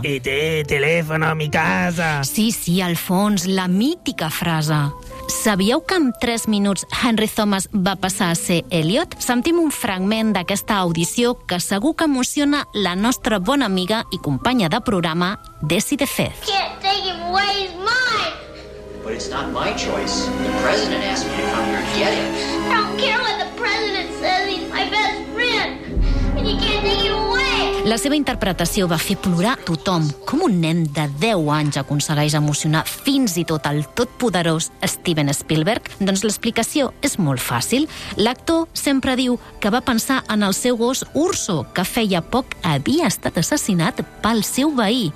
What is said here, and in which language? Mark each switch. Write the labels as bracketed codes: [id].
[ca] I té telèfon a mi casa. Sí, al fons, la mítica frase. Sabíeu que en 3 minuts Henry Thomas va passar a ser Eliot? Sentim un fragment d'aquesta audició que segur que emociona la nostra bona amiga i companya de programa, Desi de Fez. [en] Can't take him away, he's mine! But it's not my choice. The president asked me to come here and get him. I don't care what the president says, he's my best friend! [ca] La seva interpretació va fer plorar tothom. Com un nen de 10 anys aconsegueix emocionar fins i tot el totpoderós Steven Spielberg? Doncs l'explicació és molt fàcil. L'actor sempre diu que va pensar en el seu gos Urso, que feia poc havia estat assassinat pel seu veí.